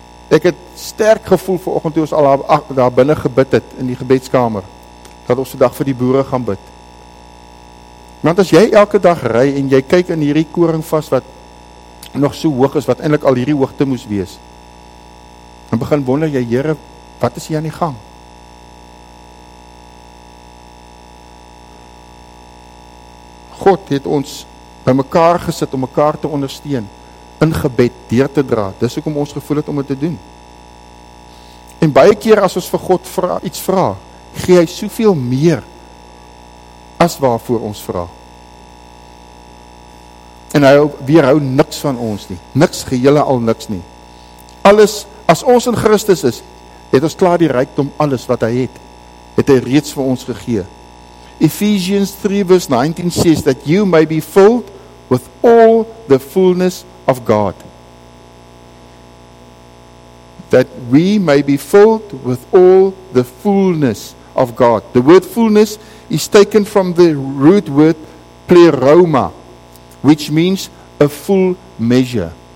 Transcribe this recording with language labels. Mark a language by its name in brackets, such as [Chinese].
[Afrikaans] Ek het sterk gevoel vanoggend toe ons al daar binne gebid het, in die gebedskamer, dat ons vandag vir die boere gaan bid. Want as jy elke dag ry, en jy kyk in hierdie koring vas, wat nog so hoog is, wat eintlik al hierdie hoogte moes wees, dan begin wonder jy, Here, wat is hier aan die gang? God het ons by mekaar gesit om mekaar te ondersteun, in gebed, deur te dra, dis ook om ons gevoel het om het te doen. En baie keer as ons vir God iets vra, gee hy soveel meer as waarvoor ons vra. En hy weerhou niks van ons nie, niks, gehele al niks nie. Alles, as ons in Christus is, het ons klaar die rykdom, alles wat hy het, het hy reeds vir ons gegee. [English] Ephesians 3 verse 19 says that you may be filled with all the fullness of God. That we may be filled with all the fullness of God. The word fullness is taken from the root word pleroma, which means a full measure.